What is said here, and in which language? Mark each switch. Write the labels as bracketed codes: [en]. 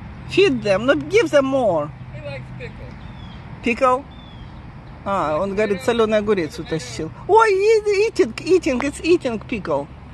[en] Feed them, not give them more. He likes pickle. Pickle? [ru] А, ah, он говорит, соленый огурец утащил. [en] Ой, eating, it's eating pickle.